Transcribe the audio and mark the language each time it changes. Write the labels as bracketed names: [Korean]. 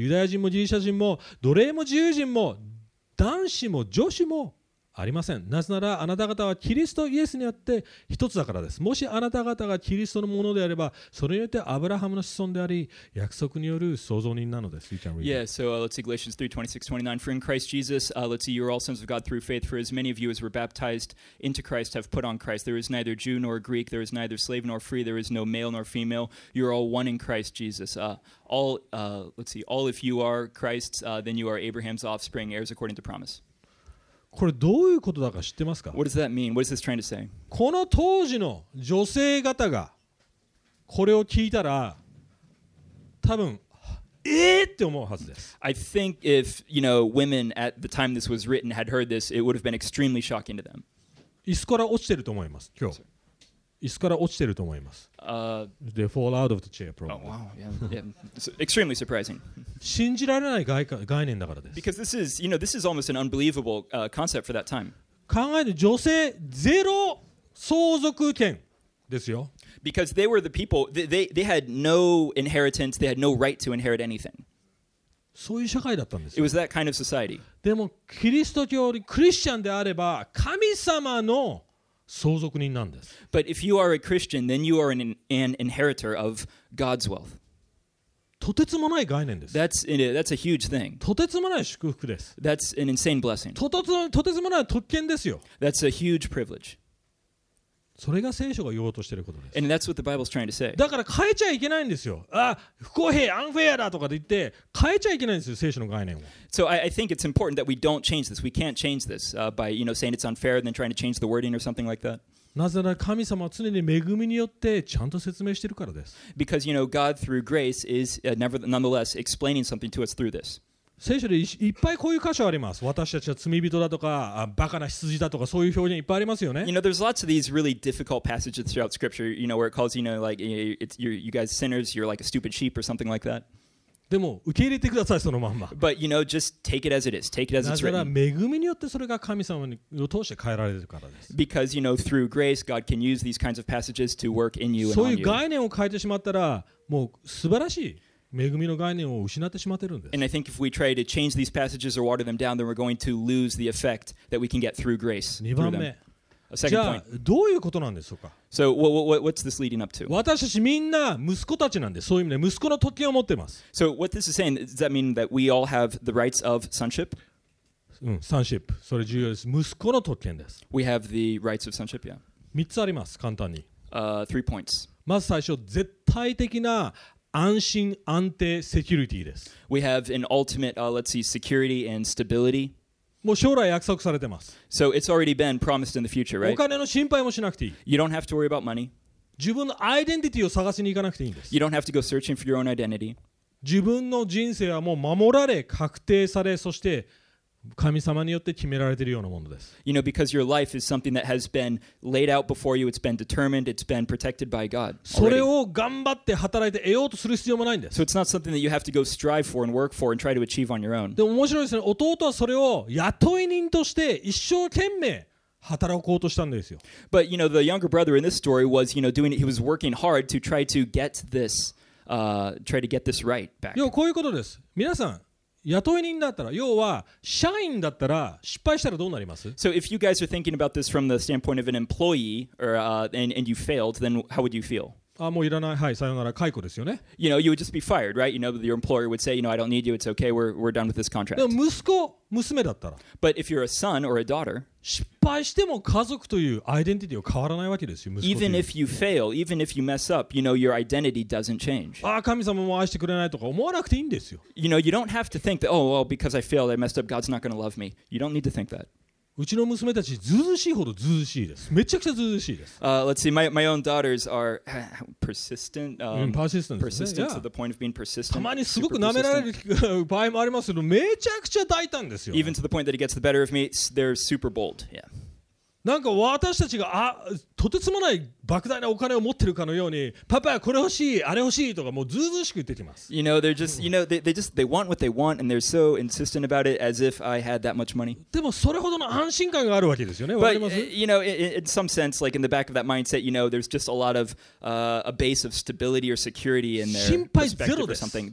[Japanese] ユダヤ人もギリシャ人も奴隷も自由人も男子も女子もありません。なぜならあなた方はキリストイエスにあって一つだからです。もしあなた方がキリストのものであれば、それによってアブラハムの子孫であり、約束による創造人なのです。 [English] Yeah, so let's see Galatians 3:26-29. For in Christ Jesus, let's see, you are all sons of God through faith. For as many of you as were baptized into Christ have put on Christ. There is neither Jew nor Greek, there is neither slave nor free, there is no male nor female. You are all one in Christ Jesus. All if you are Christ's, then you are Abraham's offspring, heirs according to promise. [Japanese] これどういうことだか知ってますか? [English] What does that mean? What is this trying to say? [Japanese] この当時の女性方がこれを聞いたら多分って思うはずです。 [English] I think if, you know, women at the time this was written had heard this, it would have been extremely shocking to them. [Japanese] 椅子から落ちてると思います。今日。椅子から落ちてると思います。 [English] They fall out of the chair probably. Oh, wow. Yeah. Extremely surprising. [Japanese] 信じられない概念だからです。 [English] Because this is, you know, this is almost an unbelievable concept for that time. [Japanese] 考えて女性ゼロ相続権ですよ。 [English] Because they were the people, they had no inheritance, they had no right to inherit anything. [Japanese] そういう社会だったんですよ。 [English] It was that kind of society. [Japanese] でもキリスト教でクリスチャンであれば神様の相続人なんです。 [English] But if you are a Christian, then you are an inheritor of God's wealth. [Japanese] とてつもない概念です。 [English] That's a huge thing. [Japanese] とてつもない祝福です。 [English] That's an insane blessing. [Japanese] とてつもない特権ですよ。 [English] That's a huge privilege. [Japanese] それが聖書が言おうとしていることです。 [English] And that's what the Bible's trying to say. [Japanese] だから変えちゃいけないんですよ。あ、不公平、アンフェアだとかで言って変えちゃいけないんですよ、聖書の概念を。 [English] So I think it's important that we don't change this. We can't change this by, you know, saying it's unfair and then trying to change the wording or something like that. [Japanese] なぜなら神様は常に恵みによってちゃんと説明しているからです。 [English] Because, you know, God through grace is nonetheless explaining something to us through this. [Japanese] 聖書でいっぱいこういう箇所あります。私たちは罪人だとか、バカな羊だとか、そういう表現いっぱいありますよね。 [English] You know, there's lots of these really difficult passages throughout Scripture, you know, where it calls, you know, like, you guys sinners, you're like a stupid sheep or something like that. [Japanese] でも、受け入れてください、そのまんま。 [English] But, you know, just take it as it is. Take it as it's written. [Japanese] なぜなら、恵みによってそれが神様を通して変えられるからです。 [English] Because, you know, through grace, God can use these kinds of passages to work in you and on you. [Japanese] そういう概念を変えてしまったら、もう素晴らしい。恵みの概念を失ってしまってるんです。 [English] And I think if we try to change these passages or water them down, then we're going to lose the effect that we can get through grace. [Japanese] 2番目。 [English] Through them. A second [Japanese] じゃあ、 [English] point. [Japanese] どういうことなんでしょうか? [English] So, what's this leading up to? [Japanese] 私たちみんな息子たちなんで、そういう意味で息子の特権を持ってます。 [English] So, what this is saying, does that mean that we all have the rights of sonship? [Japanese] うん、sonship。それ重要です。息子の特権です。 [English] We have the rights of sonship, yeah. [Japanese] 3つあります、簡単に。 [English] Three points. [Japanese] まず最初、絶対的な安心安定セキュリティです。 [English] We have an ultimate, security and stability. [Japanese] もう将来約束されてます。 [English] So it's already been promised in the future, right? [Japanese] お金の心配もしなくていい。 [English] You don't have to worry about money. [Japanese] 自分のアイデンティティを探しに行かなくていいんです。 [English] You don't have to go searching for your own identity. [Japanese] 自分の人生はもう守られ、確定され、そして神様によって決められているようなものです。 [English] You know, because your life is something that has been laid out before you, it's been determined, it's been protected by God. [Japanese] それを頑張って働いて得ようとする必要もないんです。 [English] So it's not something that you have to go strive for and work for and try to achieve on your own. [Japanese] でも面白いですね。弟はそれを雇い人として一生懸命働こうとしたんですよ。 [English] But you know, the younger brother in this story was, you know, doing it, he was working hard to try to get this, try to get this right back. [Japanese] 要はこういうことです。皆さん。雇い人だったら、要は社員だったら失敗したらどうなります? [English] So if you guys are thinking about this from the standpoint of an employee or, and you failed, then how would you feel? [Japanese] あ、もういらない。はい、さよなら。解雇ですよね。 [English] You know, you would just be fired, right? You know, your employer would say, you know, I don't need you. It's okay. We're done with this contract. [Japanese] でも息子、娘だったら。 [English] But if you're a son or a daughter, [Japanese] 失敗しても家族というアイデンティティは変わらないわけですよ、息子という。 [English] Even if you fail, even if you mess up, you know, your identity doesn't change. [Japanese] あ、神様も愛してくれないとか思わなくていいんですよ。 [English] You know, you don't have to think that, oh, well, because I failed, I messed up, God's not going to love me. You don't need to think that. [Japanese] うちの娘たちずうずうしいほどずうずうしいです。めちゃくちゃずうずうしいです。 [English] Let's see. My own daughters are persistent. Persistent. Persistent to the point of being persistent. [Japanese] たまにすごく舐められる場合もありますけど、めちゃくちゃ大胆ですよ、ね。 [English] Even to the point that it gets the better of me, they're super bold. Yeah. [Japanese] なんか私たちがとてつもない莫大なお金を持ってるかのように、パパこれ欲しい、あれ欲しいとかもうずうずうしく言ってきます。 [English] You know, they're just, you know, they want what they want and they're so insistent about it as if I had that much money. [Japanese] でもそれほどの安心感があるわけですよね。 [English] But, [Japanese] わかります? [English] You know, in some sense, like in the back of that mindset, you know, there's just a lot of a base of stability or security in their perspective or something.